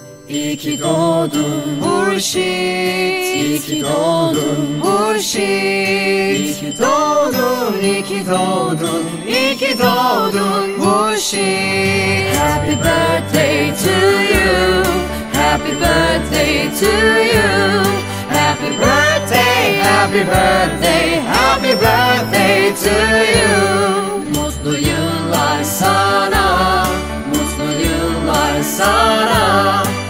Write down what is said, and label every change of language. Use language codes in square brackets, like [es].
[tr] İyi ki doğdun Hurşit, iyi ki doğdun Hurşit, iyi ki doğdun, iyi ki doğdun, iyi ki doğdun Hurşit. [en] Happy birthday to you, happy birthday to you, happy birthday, happy birthday, happy birthday to you. [tr] Mutlu yıllar sana, mutlu yıllar sana.